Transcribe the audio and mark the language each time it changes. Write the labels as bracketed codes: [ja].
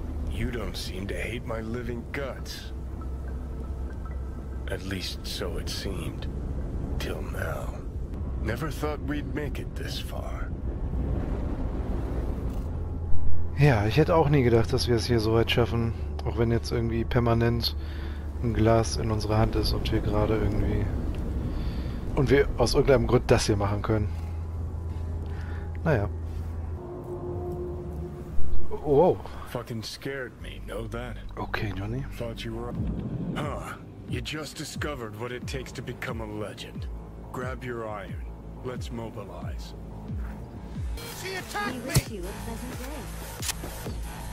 [en] You don't seem to hate my living guts. At least so it seemed. Till now. Never thought we'd make it this far. [de] Ja, ich hätte auch nie gedacht, dass wir es hier so weit schaffen. Auch wenn jetzt irgendwie permanent ein Glas in unserer Hand ist und wir gerade irgendwie... Und wir aus irgendeinem Grund das hier machen können. Naja. Wow. [en] Fucking scared me, know that? Okay, Johnny. Thought you were... Huh. You just discovered what it takes to become a legend. Grab your iron. Let's mobilize. She attacked me! I wish you a pleasant day.